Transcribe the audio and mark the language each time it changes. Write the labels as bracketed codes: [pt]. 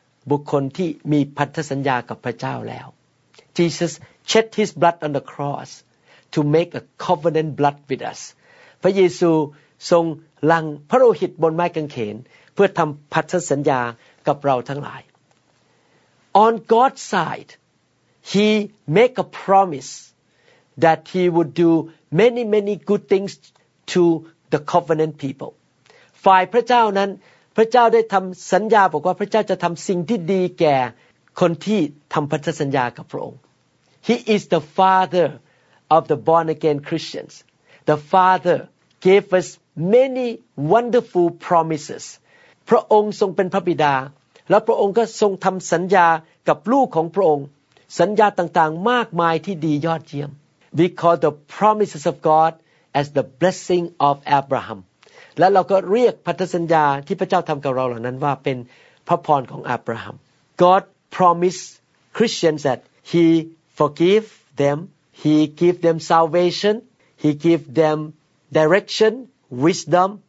[th] บุคคลที่มีพันธสัญญากับพระเจ้าแล้ว [en] Jesus shed his blood on the cross to make a covenant blood with us [th] พระเยซูทรงหลั่งพระโลหิตบนไม้กางเขนเพื่อทำพันธสัญญากับเราทั้งหลาย [en] On God's side, He make a promise that He would do many, many good things to the covenant people. [th] ฝ่ายพระเจ้านั้นพระเจ้าได้ทำสัญญาบอกว่าพระเจ้าจะทำสิ่งที่ดีแก่คนที่ทำพันธสัญญากับพระองค์ [en] He is the Father of the born again Christians. The Father gave us many wonderful promises. [th] พระองค์ทรงเป็นพระบิดาแล้วพระองค์ก็ทรงทำสัญญากับลูกของพระองค์สัญญาต่างๆมากมายที่ดียอดเยี่ยม [en] We call the promises of God as the blessing of Abraham [th] และเราก็เรียกพันธสัญญาที่พระเจ้าทำกับเราเหล่านั้นว่าเป็นพระพรของอับราฮัม [en] God promised Christians that He forgive them He give them salvation He give them direction wisdom